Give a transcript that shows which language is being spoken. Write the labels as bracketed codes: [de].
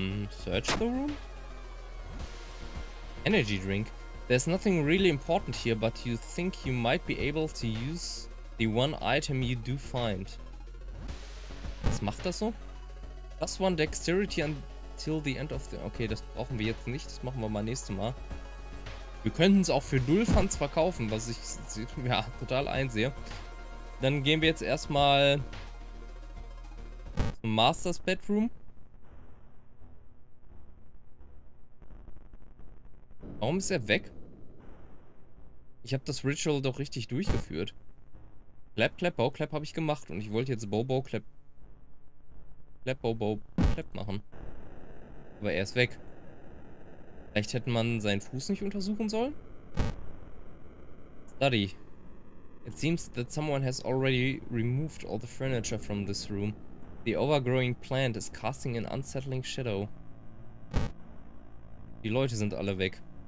[en] Search the room? Energy drink. There's nothing really important here, but you think you might be able to use the one item you do find. [de] Was macht das so? [en] Plus one dexterity until the end of the... [de] Okay, das brauchen wir jetzt nicht. Das machen wir mal nächstes Mal. Wir könnten es auch für Dulfans verkaufen, was ich ja total einsehe. Dann gehen wir jetzt erstmal zum Master's Bedroom. Warum ist er weg? Ich habe das Ritual doch richtig durchgeführt. Clap, clap, bow, clap habe ich gemacht. Und ich wollte jetzt bow, bow, clap. Clap, bow, bow, clap machen. Aber er ist weg. Vielleicht hätte man seinen Fuß nicht untersuchen sollen? [en] Study. It seems that someone has already removed all the furniture from this room. The overgrowing plant is casting an unsettling shadow. [de] Die Leute sind alle weg.